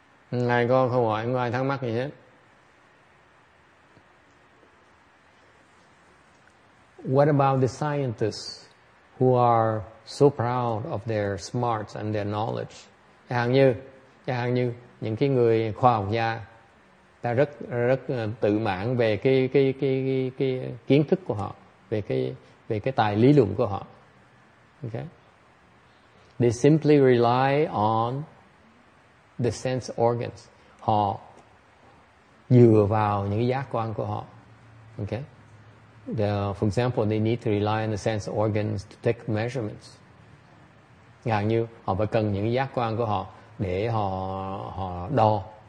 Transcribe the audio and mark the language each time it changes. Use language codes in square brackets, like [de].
[vi] Ngài có câu hỏi, có ai thắc mắc gì hết? [en] What about the scientists who are so proud of their smarts and their knowledge? [vi] Chẳng hạn như những cái người khoa học gia, ta rất rất tự mãn về cái kiến thức của họ, về cái tài lý luận của họ. Okay. [en] They simply rely on the sense organs. [vi] Họ dựa vào những giác quan của họ. [en] Okay. For example, they need to rely on the sense organs to take measurements. [vi] Ngàn như họ phải cần những giác quan của họ để họ đo.